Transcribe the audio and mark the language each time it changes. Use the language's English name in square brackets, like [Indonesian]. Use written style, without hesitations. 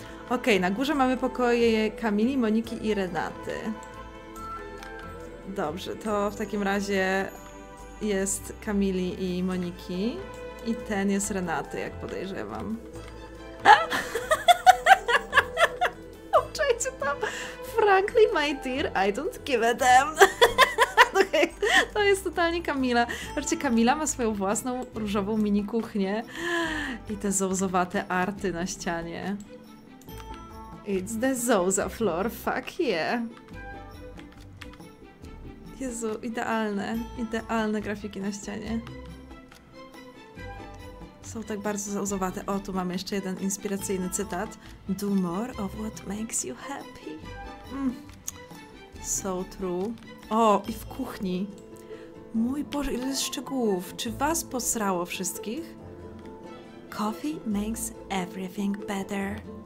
[Polish] Okej, na górze mamy pokoje Kamili, Moniki i Renaty. Dobrze, to w takim razie jest Kamili i Moniki. I ten jest Renaty, jak podejrzewam. Uczajcie tam. [English] Frankly, my dear, I don't give a damn. [Polish] To jest totalnie Kamila. Zobaczcie, Kamila ma swoją własną różową mini kuchnię i te zozowate arty na ścianie. [English] It's the zoza floor, fuck yeah. [Polish] Jezu, idealne, idealne grafiki na ścianie. Są tak bardzo zozowate. O, tu mamy jeszcze jeden inspiracyjny cytat. [English] Do more of what makes you happy. So true. [Polish] O, i w kuchni. Mój Boże, ile jest szczegółów. Czy was posrało wszystkich? [English] Coffee makes everything better.